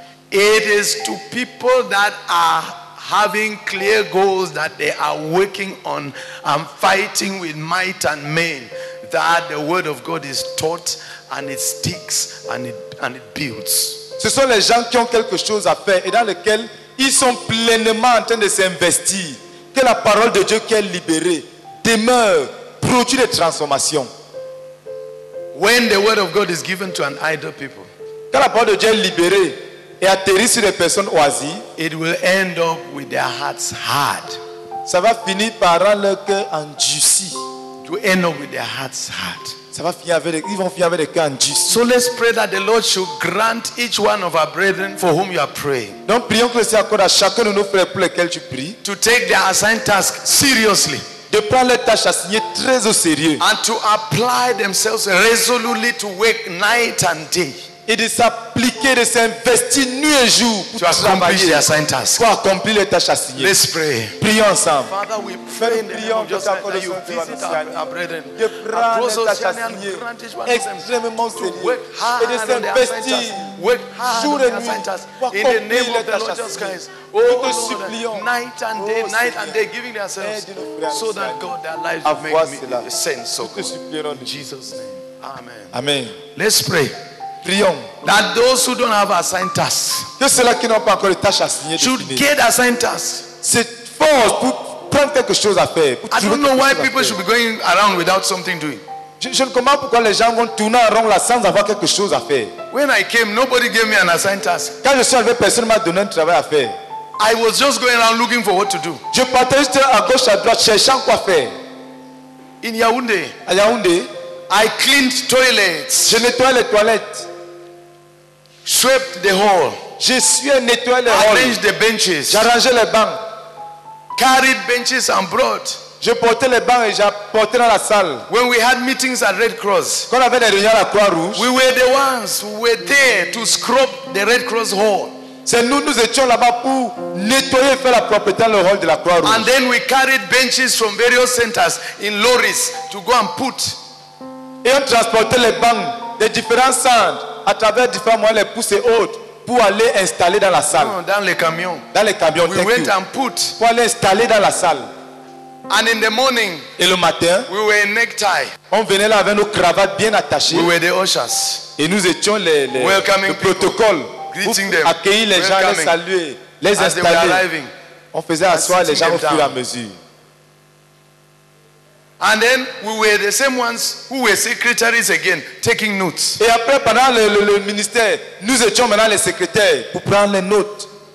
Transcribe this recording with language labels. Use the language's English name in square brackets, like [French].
[English] It is to people that are having clear goals that they are working on and fighting with might and main that the word of God is taught and it sticks and it builds. [French] Ce sont les gens qui ont quelque chose à faire et dans lequel ils sont pleinement en train de s'investir. Que la parole de Dieu qui est libérée demeure, produit des transformations. [English] When the word of God is given to an idle people, [French] quand la parole de Dieu est libérée et atterrit sur les personnes oisies, [English] it will end up with their hearts hard. [French] Ça va finir par rendre leur cœur endurci. [English] To end up with their hearts hard. [French] Ça va finir avec, ils vont finir avec les cœurs endurcis. [English] So let's pray that the Lord should grant each one of our brethren for whom you are praying. [French] Donc prions que le Seigneur accorde à chacun de nos frères pour lesquels tu pries. [English] To take their assigned task seriously. [French] De prendre leurs tâches assignées très au sérieux. [English] And to apply themselves resolutely to work night and day. [French] Et de s'appliquer, de s'investir nuit et jour pour accomplir les tâches assignées. [English] Let's pray. [French] Prions ensemble. [English] Father, we pray in the name of Jesus that you visit our brethren. [French] De prendre les tâches assignées extrêmement sérieux et de s'investir jour et nuit pour accomplir les tâches assignées. [English] Oh, Lord, night and day, giving themselves so that God, their lives will make sense. [French] Nous te supplions [English] in Jesus' name. Amen. Amen. Let's pray. [French] Prions. [English] That those who don't have assigned tasks, [French] que ceux-là qui n'ont pas encore les tâches assignées, [English] should get assigned tasks. [French] C'est fort pour prendre quelque chose à faire. [English] I don't know why people should be going around without something doing. [French] Je ne comprends pourquoi les gens vont tourner en rond là sans avoir quelque chose à faire. [English] When I came, nobody gave me an assigned task. [French] Quand je suis arrivé, personne m'a donné un travail à faire. [English] I was just going around looking for what to do. [French] Je partais juste à gauche à droite cherchant quoi faire. [English] In Yaoundé. [French] À Yaoundé. [English] I cleaned toilets. [French] Je nettoyais les toilettes. [English] Swept the hall. [French] Je suis un nettoyeur de hall. [English] Arranged the benches. [French] J'arrangeais les bancs. [English] Carried benches and brought. [French] Je portais les bancs et j'apportais dans la salle. [English] When we had meetings at Red Cross. [French] Quand on avait des réunions à la Croix Rouge. [English] We were the ones who were there to scrub the Red Cross hall. [French] C'est nous étions là-bas pour nettoyer et faire la propreté dans le hall de la Croix Rouge. [English] And then we carried benches from various centers in lorries to go and put. [French] Et on transportait les bancs des différents centres à travers différents moyens, les pousses et autres, pour aller installer dans la salle. Oh, dans les camions. Dans les camions. [English] We went and put. [French] Pour aller installer dans la salle. [English] And in the morning. [French] Et le matin. [English] We were in necktie. [French] On venait là avec nos cravates bien attachées. [English] We were the ushers. [French] Et nous étions les [English] welcoming [French] le protocole. [English] People, greeting them. [French] Accueillir les [English] welcoming. [French] Gens, les saluer, les [English] as [French] installer. [English] They were arriving, [French] on faisait asseoir les gens au fur et à mesure. [English] And then we were the same ones who were secretaries again, taking notes. [French] Et après, pendant le ministère, nous étions maintenant les secrétaires pour prendre les notes.